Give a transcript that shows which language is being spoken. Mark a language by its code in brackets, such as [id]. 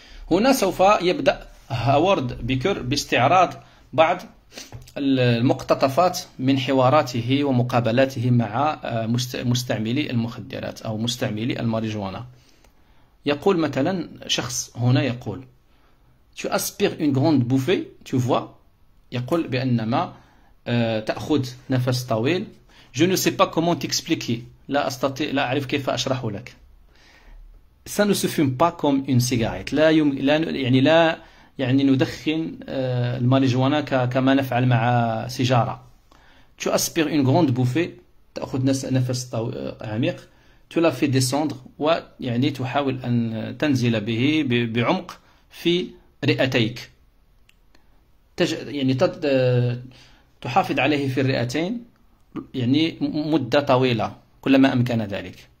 [ar] هنا سوف يبدأ هاورد بيكر باستعراض بعض المقتطفات من حواراته ومقابلاته مع مستعملي المخدرات أو مستعملي الماريجوانا. يقول مثلا شخص هنا يقول [fr] tu aspires une grande bouffée tu vois، [ar] يقول بأنما تأخذ نفس طويل. [fr] je ne sais pas comment t'expliquer، [ar] لا أستطيع، لا أعرف كيف أشرح لك. [fr] ça ne se fume pas comme une cigarette، [ar] لا يم... لا يعني لا يعني ندخن الماريجوانا كما نفعل مع سيجارة. [fr] tu aspires une grande bouffée، [ar] تأخذ نفس عميق. [fr] tu la fais descendre، [ar] ويعني تحاول أن تنزل به بعمق في رئتيك، يعني تحافظ عليه في الرئتين يعني مدة طويلة كلما أمكن ذلك.